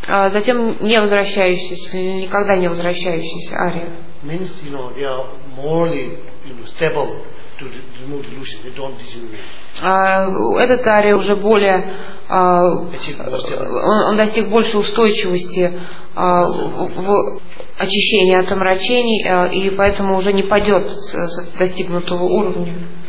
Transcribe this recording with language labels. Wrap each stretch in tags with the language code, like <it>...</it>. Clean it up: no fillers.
<ru>Затем не возвращающийся, никогда не возвращающийся ария.</ru> <en>Means, you know, they are morally, you know, stable to remove delusion. They don't degenerate.</en> <ru>Этот ария уже более он достиг большей устойчивости в очищении от омрачений и поэтому уже не падет с достигнутого уровня.</ru>